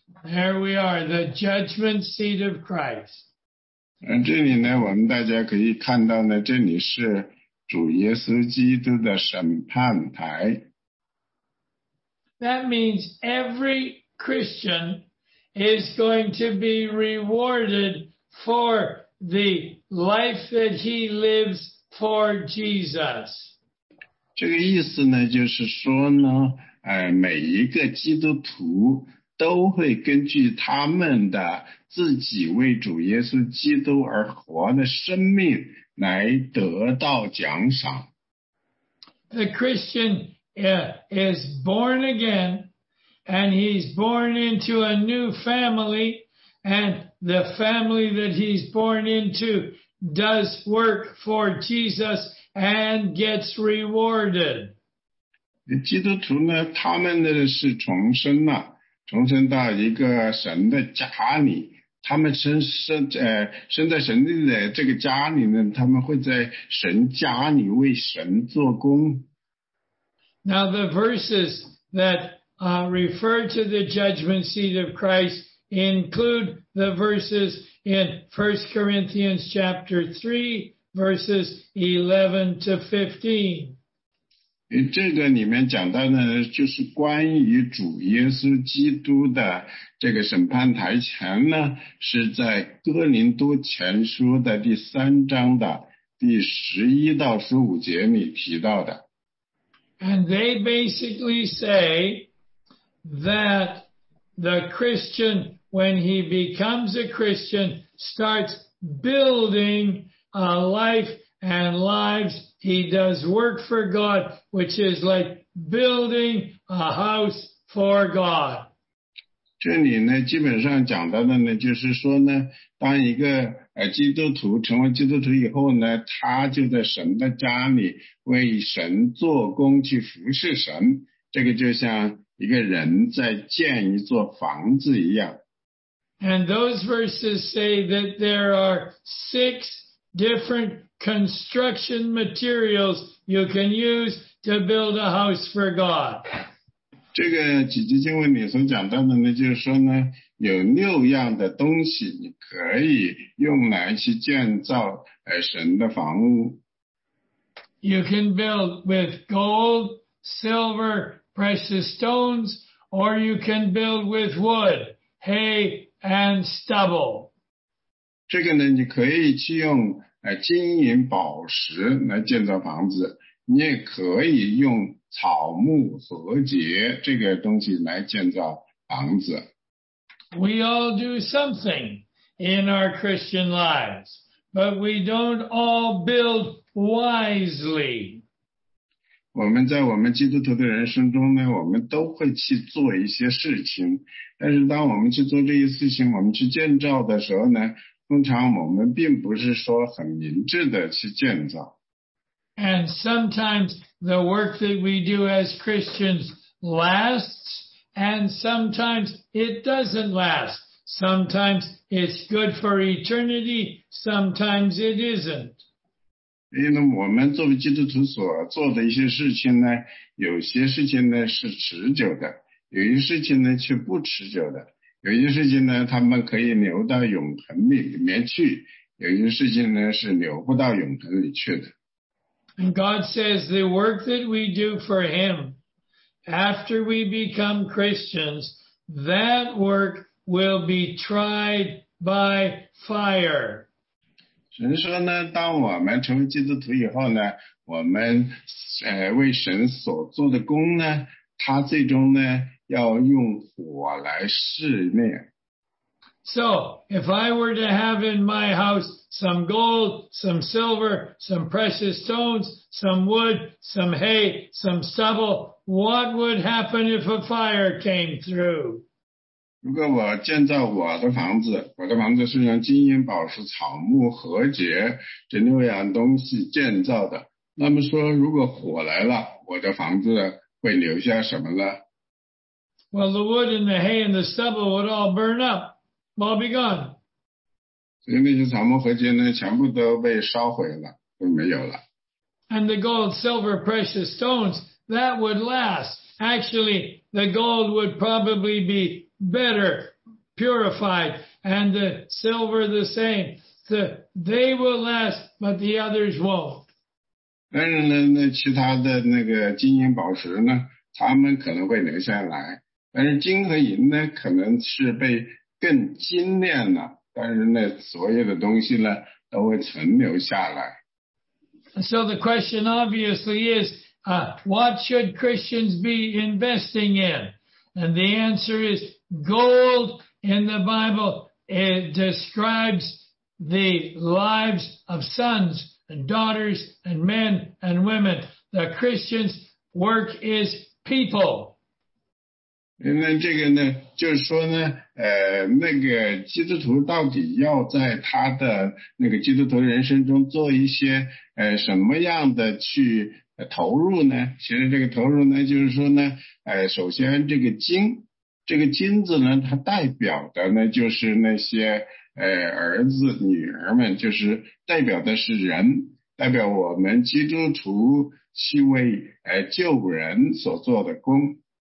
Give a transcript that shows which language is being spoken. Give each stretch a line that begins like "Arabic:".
English: There we are, the judgment seat of Christ.
Chinese: 这里呢，我们大家可以看到呢，这里是主耶稣基督的审判台。
English: That means every Christian is going to be rewarded for the life that he lives for Jesus.
Chinese: 这个意思呢，就是说呢，每一个基督徒都会根据他们的自己为主耶稣基督而活的生命来得到奖赏。
English: The Christian is born again, and he's born into a new family, and the family that he's born into does work for Jesus and gets rewarded.
Chinese: 基督徒呢，他们呢是重生了，重生到一个神的家里，他们生在神的这个家里呢，他们会在神家里为神做工。
English: Now the verses that refer to the judgment seat of Christ include the verses in 1 Corinthians chapter 3, verses 11 to 15.
Chinese: 这个里面讲到的就是关于主耶稣基督的这个审判台前呢，是在哥林多前书的第三章的第11到15节里提到的。
English: And they basically say that the Christian, when he becomes a Christian, starts building a life and lives. He does work for God, which is like building a house for God.
Chinese: 这里呢，基本上讲到的呢，就是说呢，当一个基督徒成为基督徒以后呢，他就在神的家里为神做工，去服侍神。这个就像一个人在建一座房子一样。
English: And those verses say that there are 6 different construction materials you can use to build a house for God.
Chinese: 这个几节经文里所讲到的呢，就是说呢，有6样的东西你可以用来去建造神的房屋。
English: You can build with gold, silver, precious stones, or you can build with wood, hay, and stubble.
Chinese: 这个呢，你可以去用金银宝石来建造房子，你也可以用草木禾秸这个东西来建造房子。
English: We all do something in our Christian lives, but we don't all build wisely.
Chinese: 我们在我们基督徒的人生中呢，我们都会去做一些事情，但是当我们去做这些事情，我们去建造的时候呢，通常我们并不是说很明智的去建造。
English: And sometimes the work that we do as Christians lasts, and sometimes it doesn't last. Sometimes it's good for eternity, sometimes it isn't.
Chinese: 因为我们作为基督徒所做的一些事情呢，有些事情呢是持久的，有些事情呢却不持久的。有些事情呢，他们可以留到永恒里面去，有些事情呢是留不到永恒里去的。
English: And God says the work that we do for Him after we become Christians, that work will be tried by fire.
Chinese: 神说呢，当我们成为基督徒以后呢，我们为神所做的工呢，他最终呢要用火来试炼。
English: So, if I were to have in my house some gold, some silver, some precious stones, some wood, some hay, some stubble, what would happen if a fire came through?
Chinese: 如果我建造我的房子，我的房子是用金银宝石、草木、禾秸这六样东西建造的，那么说如果火来了，我的房子会留下什么呢？
English: Well, the wood and the hay and the stubble would all burn up, all be gone.
Chinese: 所以那些草木和秸呢，全部都被烧毁了，都没有了。
English: And the gold, silver, precious stones, that would last. Actually, the gold would probably be better purified, and the silver the same. So they will last, but the others won't.
Chinese: 但是呢，那其他的那个金银宝石呢，他们可能会留下来。但是金和银呢，可能是被更精炼了，但是那所有的东西呢，都会存留下来。
English: So the question obviously is, what should Christians be investing in? And the answer is gold. In the Bible, it describes the lives of sons and daughters and men and women. The Christians' work is people.
Chinese: 那这个呢，就是说呢，那个基督徒到底要在他的那个基督徒人生中做一些什么样的去投入呢？其实这个投入呢，就是说呢，首先这个金，这个金子呢，它代表的呢，就是那些儿子女儿们，就是代表的是人，代表我们基督徒去为救人所做的工。